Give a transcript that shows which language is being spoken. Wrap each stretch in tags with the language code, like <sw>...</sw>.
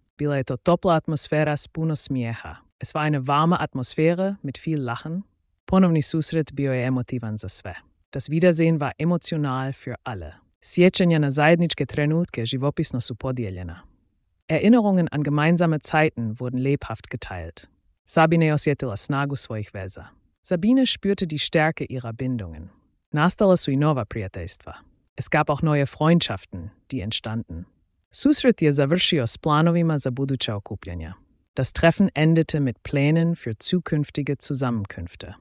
<hr>Bila je to topla atmosfera s puno smijeha.</hr> <de>Es war eine warme Atmosphäre mit viel Lachen.</de> <hr>Ponovni susret bio je emotivan za sve.</hr> <de>Das Wiedersehen war emotional für alle.</de> <hr>Sjećanja na zajedničke trenutke živopisno su podijeljena.</hr> <de>Erinnerungen an gemeinsame Zeiten wurden lebhaft geteilt.</de> <hr>Sabine osjetila snagu svojih veza.</hr> <de>Sabine spürte die Stärke ihrer Bindungen.</de> <hr>Nastala su i nova prijateljstva.</hr> <de>Es gab auch neue Freundschaften, die entstanden.</de> <hr>Susret je završio s planovima za buduća okupljanja.</hr> <de>Das Treffen endete mit Plänen für zukünftige Zusammenkünfte.</de>